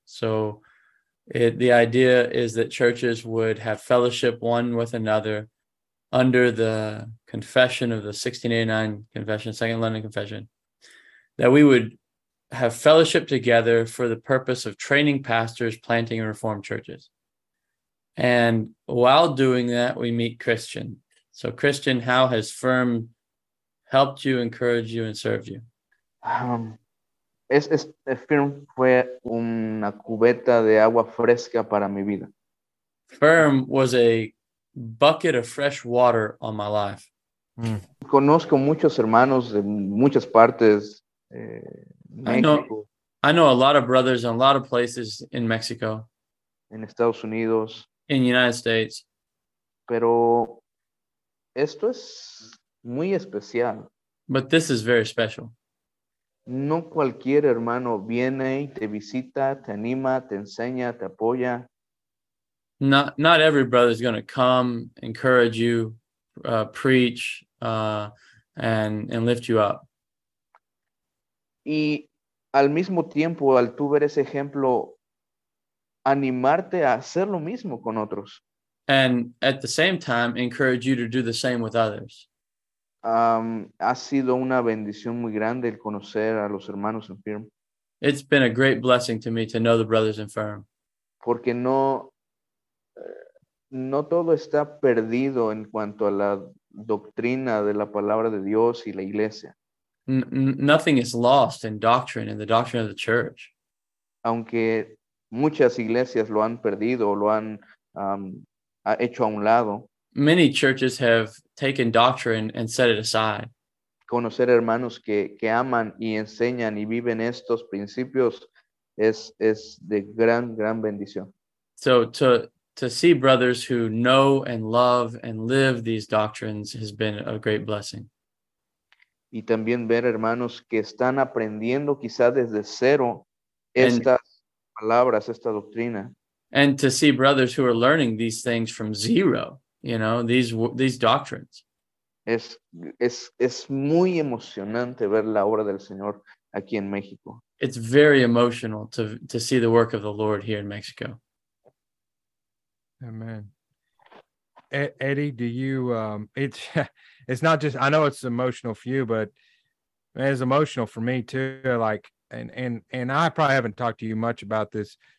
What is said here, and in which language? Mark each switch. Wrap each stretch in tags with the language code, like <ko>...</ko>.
<en>So the idea is that churches would have fellowship one with another under the confession of the 1689 confession, Second London Confession, that we would have fellowship together for the purpose of training pastors, planting and reformed churches. And while doing that, we meet Cristian. So Cristian, how has FIRM helped you, encouraged you, and served you?</en> <es>FIRM fue una cubeta de agua fresca para mi vida.</es> <en>FIRM was a bucket of fresh water on my life.</en> <es>Conozco muchos hermanos de muchas partes.</es> <en>I know a lot of brothers in a lot of places in Mexico.</en> <es>En Estados Unidos.</es> <en>In the United States.</en> <es>Pero esto es muy especial.</es> <en>But this is very special.</en> <es>No cualquier hermano viene y te visita, te anima, te enseña, te apoya.</es> <en>Not every brother is going to come, encourage you, preach, and lift you up.</en> <es>Y al mismo tiempo, al tú ver ese ejemplo, animarte a hacer lo mismo con otros.</es> <en>And at the same time, encourage you to do the same with others.</en> <es>Ha sido una bendición muy grande el conocer a los hermanos en FIRM.</es> <en>It's been a great blessing to me to know the brothers in FIRM.</en> <es>Porque no todo está perdido en cuanto a la doctrina de la palabra de Dios y la iglesia.</es> <en>Nothing is lost in doctrine, in the doctrine of the church.</en> <es>Aunque muchas iglesias lo han perdido o lo han hecho a un lado.</es> <en>Many churches have taken doctrine and set it aside.</en> <es>Conocer hermanos que aman y enseñan y viven estos principios es de gran, gran bendición.</es> <en>So to see brothers who know and love and live these doctrines has been a great blessing.</en> <es>Y también ver hermanos que están aprendiendo quizá desde cero estas palabras, esta doctrina.</es> <en>And to see brothers who are learning these things from zero, you know, these doctrines.</en> <es>Es muy emocionante ver la obra del Señor aquí en México.</es> <en>It's very emotional to see the work of the Lord here in Mexico. Amen. Eddie, do you, it's not just, I know it's emotional for you, but it's emotional for me too. Like, and I probably haven't talked to you much about this.</en>